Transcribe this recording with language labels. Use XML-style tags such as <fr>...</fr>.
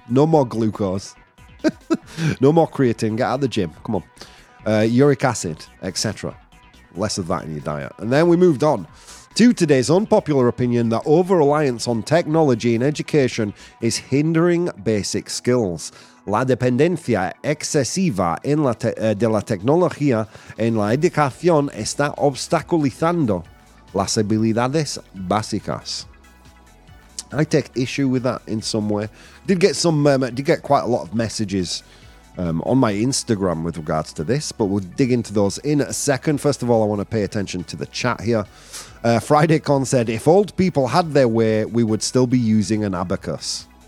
<en>No more glucose. No more creatine. Get out of the gym. Come on. Uric acid, etc. Less of that in your diet. And then we moved on to today's unpopular opinion that over-reliance on technology in education is hindering basic skills.</en> <es>La dependencia excesiva en la de la tecnología en la educación está obstaculizando las habilidades básicas.</es> <en>I take issue with that in some way. Did get quite a lot of messages on my Instagram with regards to this, but we'll dig into those in a second. First of all, I want to pay attention to the chat here. Friday Con said, if old people had their way, we would still be using an abacus.</en>